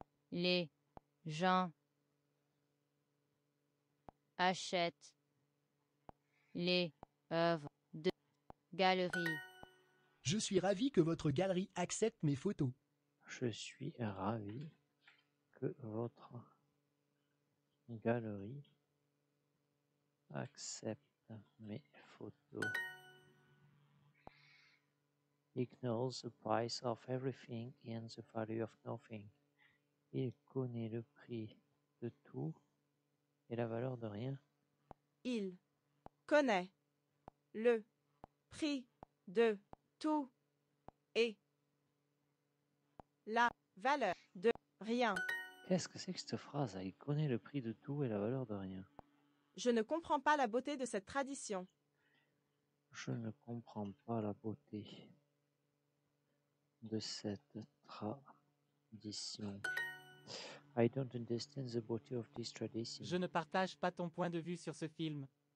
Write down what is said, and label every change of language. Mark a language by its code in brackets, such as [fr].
[fr] Les gens achètent les œuvres de galerie. Je suis ravi que votre galerie accepte mes photos. Je suis ravi que votre galerie accepte mes photos. [en] Ignore the price of everything and the value of nothing. [fr] Il connaît le prix de tout. Et la valeur de rien? Il connaît le prix de tout et la valeur de rien. Qu'est-ce que c'est que cette phrase? Il connaît le prix de tout et la valeur de rien. Je ne comprends pas la beauté de cette tradition. Je ne comprends pas la beauté de cette tradition. [en] I don't understand the beauty of this tradition. [fr] Je ne partage pas ton point de vue sur ce film.